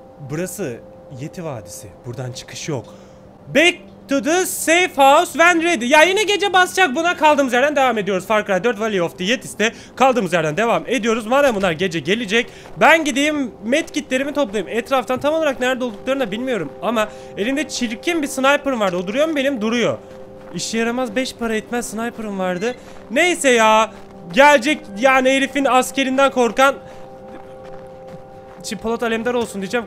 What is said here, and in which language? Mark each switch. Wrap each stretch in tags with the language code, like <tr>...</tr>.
<tr>Burası Yeti Vadisi, buradan çıkış yok.</tr> <en>Back to the safe house when ready.</en> <tr>Ya yine gece basacak, buna kaldığımız yerden devam ediyoruz. Far Cry 4 Valley of the Yetis'te kaldığımız yerden devam ediyoruz. Madem bunlar gece gelecek, ben gideyim medkitlerimi toplayayım. Etraftan tam olarak nerede olduklarını da bilmiyorum ama elimde çirkin bir sniper'ım vardı. O duruyor mu benim? Duruyor. İşe yaramaz 5 para etmez sniper'ım vardı. Neyse ya, gelecek yani herifin askerinden korkan Polat Alemdar olsun diyeceğim.</tr>